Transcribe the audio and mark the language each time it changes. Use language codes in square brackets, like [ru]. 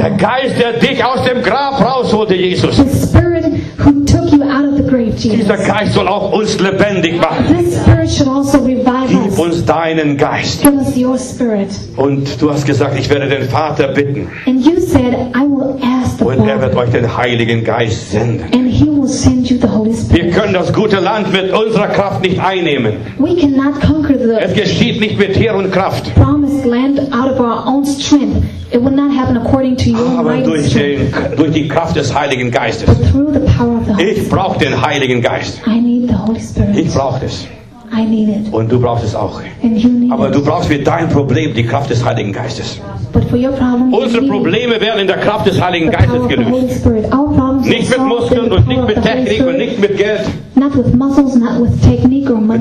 [de] Der Geist, der dich aus dem Grab rausholte, Jesus. [en] The spirit who took you out of the grave, Jesus. [de] Dieser Geist soll auch uns lebendig machen. [en] This spirit should also revive [de] gib uns deinen Geist. [en] Give us your spirit. [de] Und du hast gesagt, ich werde den Vater bitten. [en] And you said, I will ask the [de] und [en] Father. [de] Und er wird euch den Heiligen Geist senden. [en] And he will send you the Holy Spirit. [de] Wir können das gute Land mit unserer Kraft nicht einnehmen. [en] We cannot conquer the [de] es geschieht nicht mit Heer und Kraft. [en] Promised land out of our own strength. It will not happen according to your [de] aber [en] mind [de] durch, durch die Kraft des Heiligen Geistes. [en] But through the power of the Holy [de] ich brauche den Heiligen Geist. [en] I need the Holy Spirit. [de] Ich brauche das. [en] I need it. [de] Und du brauchst es auch. [en] And you need [de] aber [en] it. [de] Du brauchst für dein Problem die Kraft des Heiligen Geistes. [en] But for your problem, [de] unsere Probleme werden in der Kraft des Heiligen Geistes gelöst. Nicht mit Muskeln und nicht mit Technik und nicht mit Geld. [en] Not with muscles, not with technique or money.